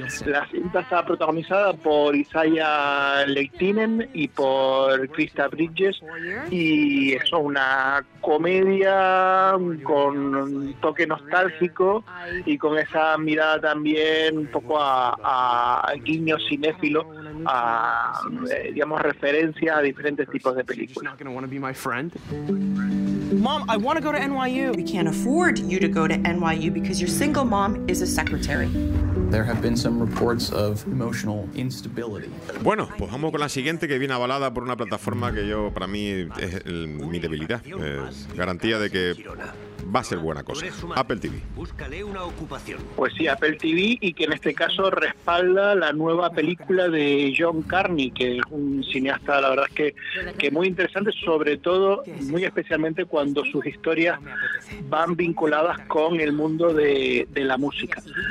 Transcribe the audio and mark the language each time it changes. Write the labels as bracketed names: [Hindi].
[Spanish] La cinta está protagonizada por Isaiah Leitinen y por Krista Bridges, y es una comedia con un toque nostálgico y con esa mirada también un poco a guiño cinéfilo, a digamos referencia a diferentes tipos de películas. [English] Mom, I want to go to NYU. We can't afford you to go to NYU because your single mom is a secretary. There have been some reports of emotional instability. [Spanish] Bueno, pues vamos con la siguiente, que viene avalada por una plataforma que yo, para mí, es mi debilidad. Es garantía de que va a ser buena cosa. Apple TV. Búscale una ocupación. Pues sí, Apple TV, y que en este caso respalda la nueva película de John Carney, que es un cineasta, la verdad es que muy interesante, sobre todo, muy especialmente cuando sus historias van vinculadas con el mundo de la música.